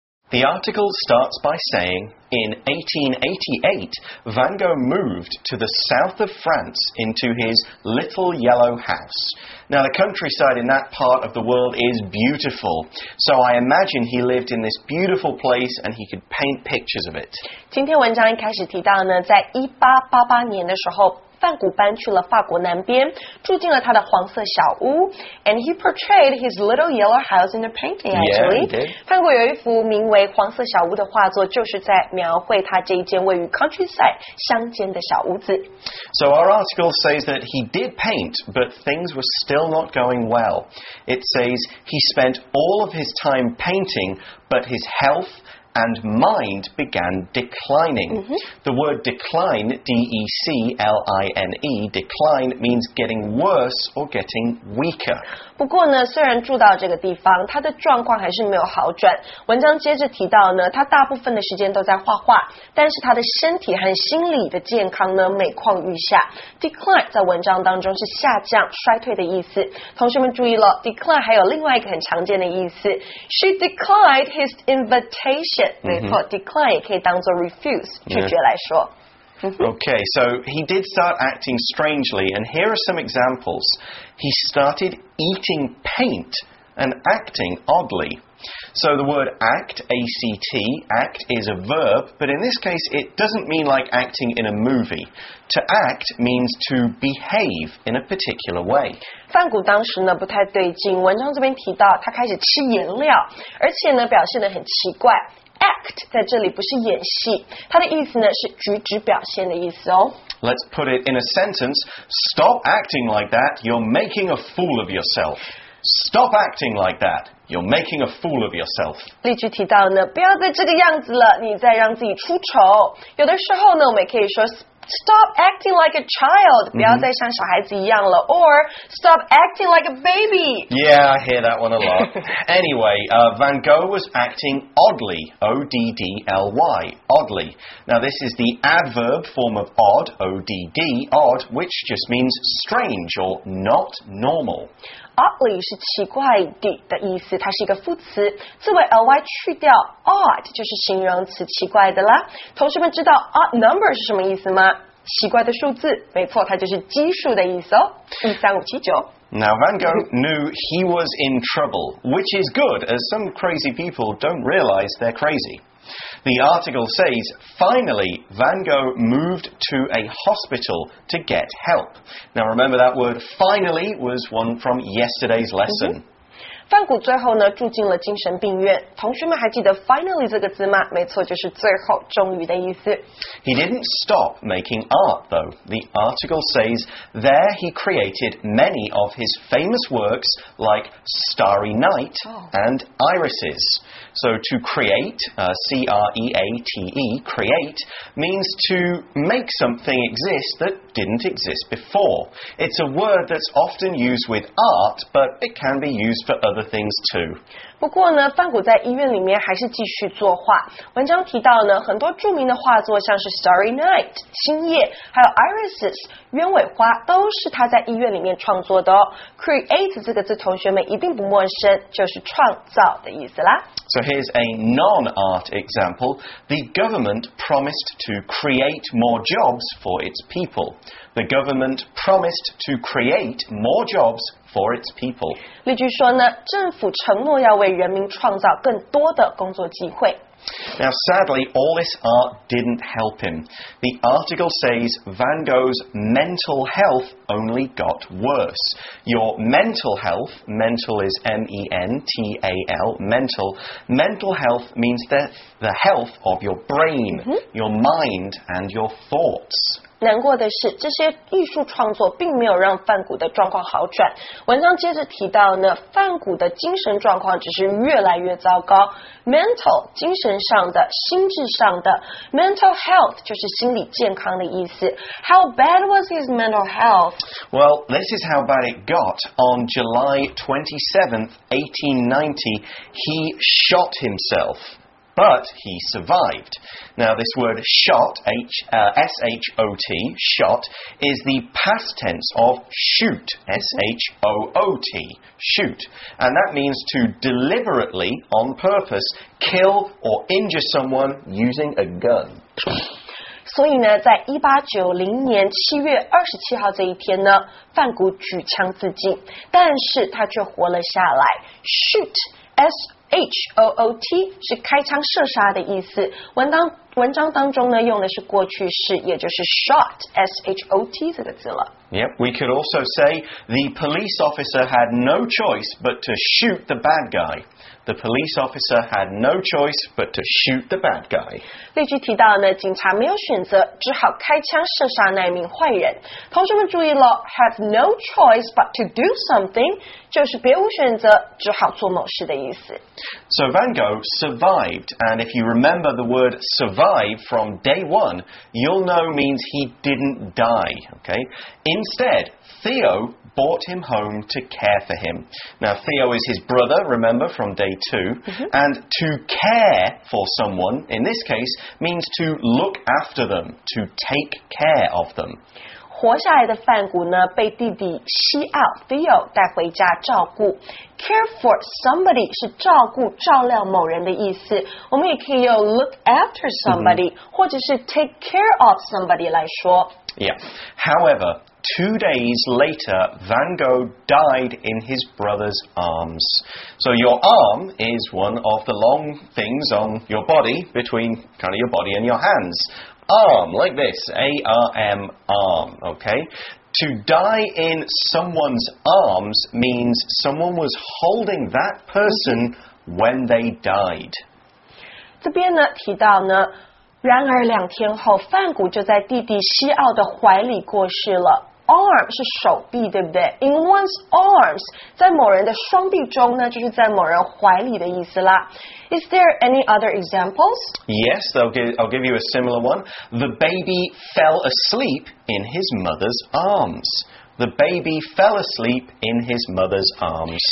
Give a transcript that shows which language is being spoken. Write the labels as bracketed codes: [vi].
[en] The article starts by saying, in 1888, Van Gogh moved to the south of France into his little yellow house. Now, the countryside in that part of the world is beautiful. So I imagine he lived in this beautiful place and he could paint pictures of it. [zh] 今天文章一开始提到呢，在1888年的时候，梵谷搬去了法国南边，住进了他的黄色小屋。 [en] And he portrayed his little yellow house in a painting, actually. Yeah, [zh] 梵谷有一幅名为《黄色小屋》的画作，就是在描绘他这一间位于 countryside 乡间的小屋子。 [en] So our article says that he did paint, but things were still not going well. It says he spent all of his time painting, but his health and mind began declining. Mm-hmm. The word decline, D-E-C-L-I-N-E, decline means getting worse or getting weaker. [zh] 不过呢，虽然住到这个地方，他的状况还是没有好转。文章接着提到呢，他大部分的时间都在画画，但是他的身体和心理的健康呢，每况愈下。 Decline 在文章当中是下降、衰退的意思。同学们注意了 ，decline 还有另外一个很常见的意思 ， [en] She declined his invitation。 [zh] 没错、mm-hmm. ，decline 也可以当作 refuse 拒绝来说。 [en] Yeah. Okay, so he did start acting strangely, and here are some examples. He started eating paint and acting oddly. So the word act, A-C-T, act is a verb, but in this case it doesn't mean like acting in a movie. To act means to behave in a particular way. [zh] 范谷当时呢不太对劲，文章这边提到他开始吃颜料，而且呢表现得很奇怪。 Act 在这里不是演戏，它的意思呢是举止表现的意思哦。 [en] Let's put it in a sentence. Stop acting like that. You're making a fool of yourself. Stop acting like that. You're making a fool of yourself. [zh] 例句提到呢，不要再这个样子了，你在让自己出丑。有的时候呢，我们也可以说 [en] Stop acting like a child. [zh] 不要再像小孩子一样了、mm-hmm. [en] Or Stop acting like a baby. Yeah, I hear that one a lot. Anyway, Van Gogh was acting oddly. O-D-D-L-Y. Oddly. Now this is the adverb form of odd. O-D-D. Odd, which just means strange or not normal. [zh] Oddly 是奇怪的的意思，它是一个副词，字尾 ly 去掉 odd 就是形容词奇怪的啦。同学们知道 odd number 是什么意思吗？奇怪的数字，没错，它就是奇数的意思哦，13579。 [en] Now Van Gogh knew he was in trouble, which is good, as some crazy people don't realize they're crazy. The article says, finally, Van Gogh moved to a hospital to get help. Now remember that word, finally, was one from yesterday's lesson.、Mm-hmm. [zh] 范谷最后呢住进了精神病院。同学们还记得 finally 这个字吗？没错，就是最后、终于的意思。 [en] He didn't stop making art, though. The article says there he created many of his famous works like Starry Night and Irises. So to create, C-R-E-A-T-E, create, means to make something exist that didn't exist before. It's a word that's often used with art, but it can be used for other things too. [zh] 不过呢，梵谷在医院里面还是继续作画。文章提到呢，很多著名的画作，像是 Starry Night 星夜，还有 Irises 鸢尾花，都是他在医院里面创作的哦。 Create 这个字，同学们一定不陌生，就是创造的意思啦。 [en] So here's a non-art example. The government promised to create more jobs for its people. The government promised to create more jobs for its people. [zh] 例句说呢，政府承诺要为人民创造更多的工作机会。 [en] Now, sadly, all this art didn't help him. The article says Van Gogh's mental health only got worse. Your mental health, mental is M-E-N-T-A-L, mental. Mental health means the health of your brain,、mm-hmm. your mind and your thoughts. [zh] 难过的是，这些艺术创作并没有让梵谷的状况好转。文章接着提到呢，梵谷的精神状况只是越来越糟糕。 Mental 精神上的、心智上的 ，mental health 就是心理健康的意思。 [en] How bad was his mental health? Well, this is how bad it got. On July 27th, 1890, he shot himself. But he survived. Now this word shot, S-H-O-T, shot, is the past tense of shoot, S-H-O-O-T, shoot. And that means to deliberately, on purpose, kill or injure someone using a gun. [zh] 所以呢，在1890年7月27号这一天呢，范谷举枪自尽，但是他却活了下来。 [en] Shoot, S-O-O-T. [zh] H-O-O-T 是开枪射杀的意思。文章当中呢用的是过去式，也就是 shot, S-H-O-T 这个字了。 [en] Yep, we could also say the police officer had no choice but to shoot the bad guy. The police officer had no choice but to shoot the bad guy. [zh] 例句提到呢，警察没有选择，只好开枪射杀那名坏人。同学们注意了 ， [en] have no choice but to do something [zh] 就是别无选择，只好做某事的意思。 [en] So Van Gogh survived, and if you remember the word survive from day one, you'll know means he didn't die. Okay. Instead, Theo brought him home to care for him. Now, Theo is his brother, remember, from day two. Mm-hmm. And to care for someone, in this case, means to look after them, to take care of them. [zh] 活下来的范谷呢被弟弟西奥 Theo 带回家照顾。 Care for somebody 是照顾照料某人的意思。我们也可以用 [en] look after somebody,、 [zh] mm-hmm. 或者是 [en] take care of somebody [zh] 来说。 [en] Yeah. However,2 days later, Van Gogh died in his brother's arms. So your arm is one of the long things on your body, between kind of your body and your hands. Arm, like this, A-R-M, arm, okay? To die in someone's arms means someone was holding that person when they died. [zh] 这边呢提到呢然而两天后范谷就在弟弟西奥的怀里过世了。 Arm 是手臂，对不对 ？ [en] In one's arms， [zh] 在某人的双臂中呢，就是在某人怀里的意思啦。 [en] Is there any other examples? Yes, I'll give you a similar one. The baby fell asleep in his mother's arms. The baby fell asleep in his mother's arms.